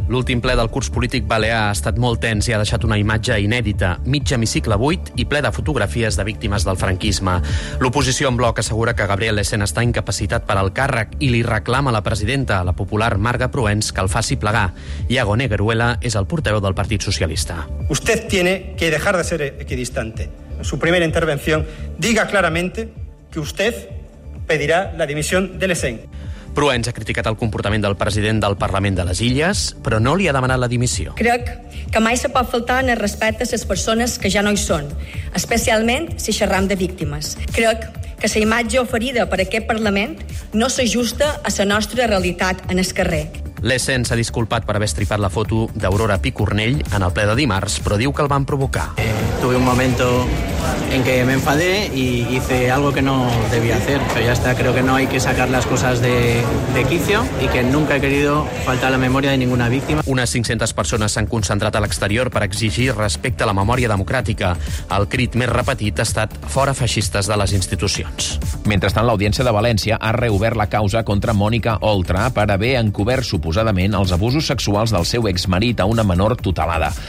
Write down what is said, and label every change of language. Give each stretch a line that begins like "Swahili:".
Catalan: L'últim ple del curs polític balear ha estat molt tens i ha deixat una imatge inèdita. Mig hemicicle buit i ple de fotografies de víctimes del franquisme. L'oposició en bloc assegura que Gabriel Lesén està incapacitat per al càrrec i li reclama a la presidenta, la popular Marga Proens, que el faci plegar. Iago Negueruela és el portaveu del Partit Socialista.
Spanish: Usted tiene que dejar de ser equidistante. En su primera intervención diga claramente que usted pedirá la dimisión de Lesén.
Catalan: Proens ha criticat el comportament del president del Parlament de les Illes, però no li ha demanat la dimissió. Crec que mai se pot faltar en el respecte a les persones que ja no hi són, especialment si xerram de víctimes. Crec que la imatge oferida per aquest Parlament no s'ajusta a la nostra realitat en el carrer. Lesén s'ha disculpat per haver estripat la foto d'Aurora Picornell en el ple de dimarts, però diu que el van provocar.
Spanish: Tuve un momento en que me enfadé y hice algo que no debía hacer, pero ya está, creo que no hay que sacar las cosas de quicio y que nunca he querido faltar la memoria de ninguna víctima.
Catalan: Unes 500 persones s'han concentrat a l'exterior per exigir respecte a la memòria democràtica. El crit més repetit ha estat fora feixistes de les institucions. Mentrestant, l'Audiència de València ha reobert la causa contra Mònica Oltra per haver encobert suposadament els abusos sexuals del seu exmarit a una menor tutelada.